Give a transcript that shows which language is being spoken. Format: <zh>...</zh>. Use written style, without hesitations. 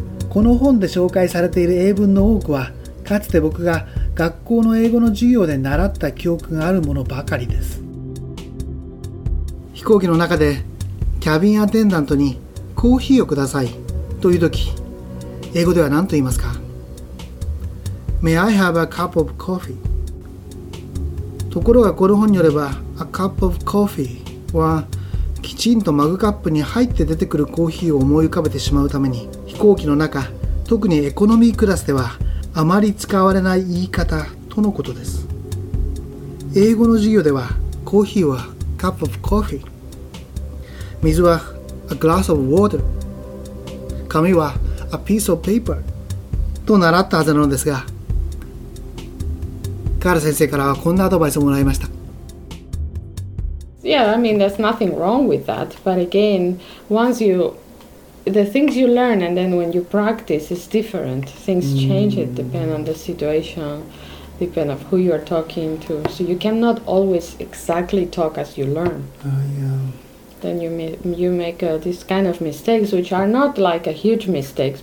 <ja>この本で紹介されている英文の多くは、かつて僕が学校の英語の授業で習った記憶があるものばかりです。飛行機の中でキャビンアテンダントにコーヒーをくださいというとき、英語では何と言いますか？</ja> <en>May I have a cup of coffee?</en> <ja>ところがこの本によれば、</ja> <en>A cup of coffee</en> <ja>はきちんとマグカップに入って出てくるコーヒーを思い浮かべてしまうために、飛行機の中、特にエコノミークラスではあまり使われない言い方とのことです。英語の授業ではコーヒーは</ja> <en>cup of coffee、</en> <ja>水は</ja> <en>a glass of water、</en> <ja>紙は</ja> <en>a piece of paper</en> <ja>と習ったはずなのですが、カール先生からはこんなアドバイスをもらいました。</ja> <en>Yeah, I mean, there's nothing wrong with that. But again, once you, the things you learn and then when you practice is different. Things change. It depends on the situation, depend of who you are talking to. So you cannot always exactly talk as you learn. Then you make this kind of mistakes, which are not like a huge mistakes.</en>